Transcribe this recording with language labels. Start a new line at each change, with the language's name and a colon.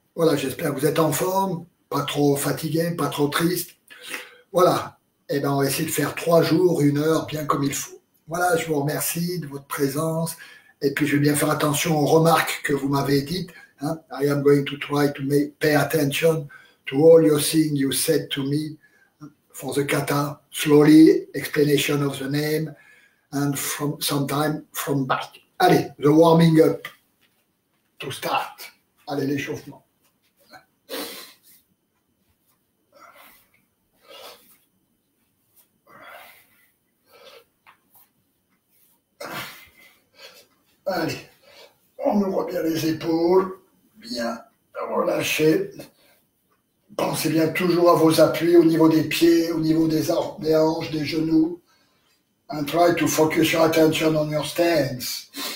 French: Voilà, j'espère que vous êtes en forme, pas trop fatigué, pas trop triste. Voilà, et bien on va essayer de faire trois jours, une heure, bien comme il faut. Voilà, je vous remercie de votre présence. Et puis je vais bien faire attention aux remarques que vous m'avez dites. Hein.
English: I am going to try to pay attention to all your things you said to me. For the kata, slowly, explanation of the name, and from sometime from back. Allez, the warming up to start.
French: Allez, l'échauffement. Allez, on ouvre bien les épaules, bien relâcher. Pensez bien toujours à vos appuis au niveau des pieds, au niveau des hanches, des genoux.
English: And try to focus your attention on your stance.